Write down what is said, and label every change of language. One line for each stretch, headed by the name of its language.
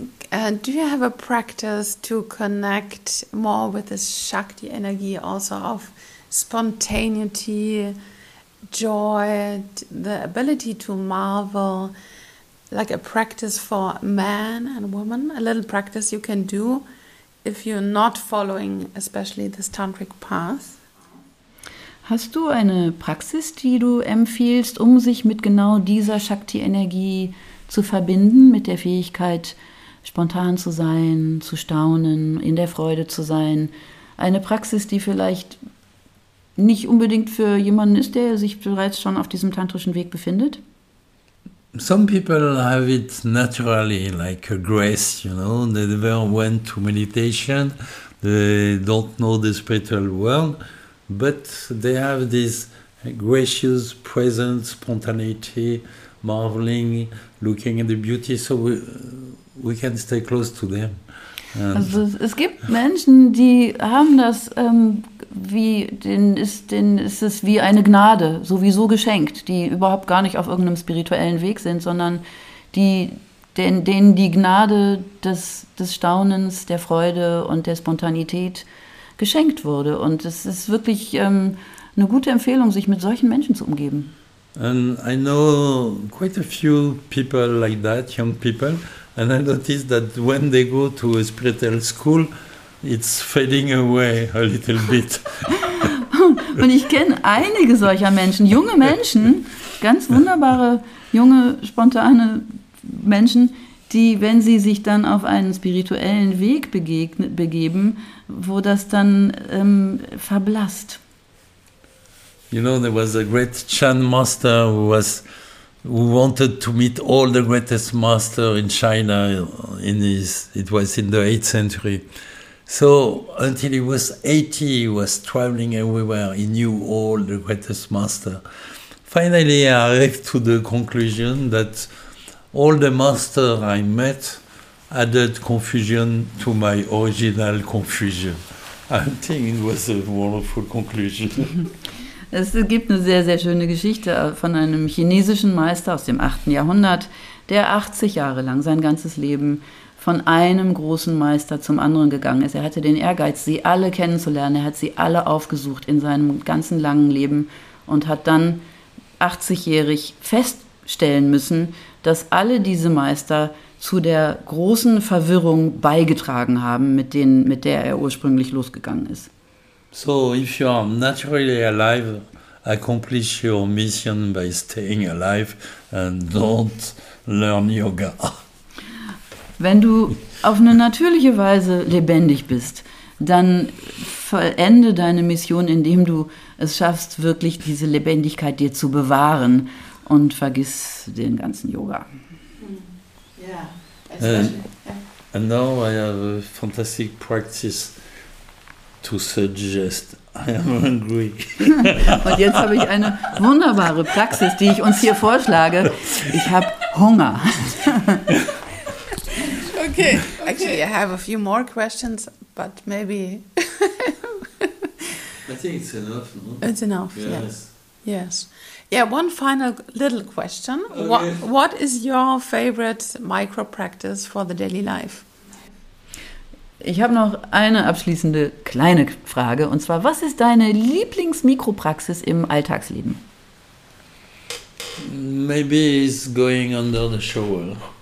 English: And do you have a practice to connect more with this Shakti energy also of spontaneity, joy, the ability to marvel, like a practice for man and woman, a little practice you can do if you're not following especially this tantric path?
German: Hast du eine Praxis, die du empfiehlst, um sich mit genau dieser Shakti-Energie zu verbinden, mit der Fähigkeit, spontan zu sein, zu staunen, in der Freude zu sein? Eine Praxis, die vielleicht nicht unbedingt für jemanden ist, der sich bereits schon auf diesem tantrischen Weg befindet?
English: Some people have it naturally, like a grace, you know, they never went to meditation, they don't know the spiritual world, but they have this gracious presence, spontaneity, marveling, looking at the beauty, so we can stay close to them.
German: Also es gibt Menschen, die haben das, wie denen ist es wie eine Gnade, sowieso geschenkt, die überhaupt gar nicht auf irgendeinem spirituellen Weg sind, sondern die, denen die Gnade des Staunens, der Freude und der Spontanität geschenkt wurde. Und es ist wirklich eine gute Empfehlung, sich mit solchen Menschen zu umgeben.
English: And I know quite a few people like that, young people. And I noticed that when they go to a spiritual school, it's fading away a little bit.
German: Und ich kenne einige solcher Menschen, junge Menschen, ganz wunderbare, junge, spontane Menschen, die, wenn sie sich dann auf einen spirituellen Weg begeben, wo das dann verblasst.
English: You know, there was a great Chan master who wanted to meet all the greatest master in China, it was in the 8th century. So until he was 80, he was traveling everywhere, he knew all the greatest master. Finally, I arrived to the conclusion that all the master I met added confusion to my original confusion. I think it was a wonderful conclusion.
German: Es gibt eine sehr, sehr schöne Geschichte von einem chinesischen Meister aus dem 8. Jahrhundert, der 80 Jahre lang sein ganzes Leben von einem großen Meister zum anderen gegangen ist. Er hatte den Ehrgeiz, sie alle kennenzulernen. Er hat sie alle aufgesucht in seinem ganzen langen Leben und hat dann 80-jährig feststellen müssen, dass alle diese Meister zu der großen Verwirrung beigetragen haben, mit der er ursprünglich losgegangen ist.
English: So if you are naturally alive, accomplish your mission by staying alive and don't learn yoga.
German: Wenn du auf eine natürliche Weise lebendig bist, dann vollende deine Mission, indem du es schaffst, wirklich diese Lebendigkeit dir zu bewahren, und vergiss den ganzen Yoga.
English: Yeah. And now I have a fantastic practice to suggest. I am hungry.
German: Und jetzt habe ich eine wunderbare Praxis, die ich uns hier vorschlage. Ich habe Hunger.
English: Okay. Actually, I have a few more questions, but maybe... I think it's enough, no? It's enough, yes. Yes. Yeah, one final little question. Okay. What is your favorite micro practice for the daily life?
German: Ich habe noch eine abschließende kleine Frage, und zwar, was ist deine Lieblingsmikropraxis im Alltagsleben?
English: Maybe it's going under the shower.